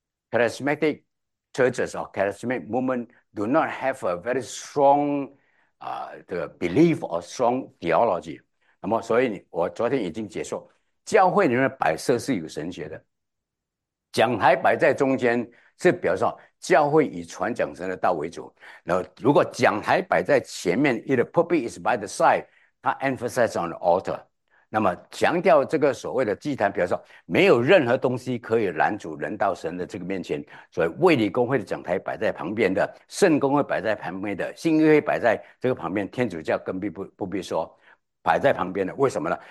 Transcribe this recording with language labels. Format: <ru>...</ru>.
<en>Charismatic churches or charismatic movement do not have a very strong</en> <zh>这个</zh> <en>belief or strong theology。</en> <zh>那么，所以我昨天已经解说，教会里面的摆设是有神学的，讲台摆在中间。是表示说，教会以传讲神的道为主。然后，如果讲台摆在前面，</zh> <en>it the pulpit is by the side，</en> <zh>它</zh> <en>emphasize on the altar。</en> <zh>那么强调这个所谓的祭坛，比如说没有任何东西可以拦阻人到神的这个面前，所以卫理公会的讲台摆在旁边的，圣公会摆在旁边的，新约会摆在这个旁边，天主教更不必说，摆在旁边的，为什么呢？</zh>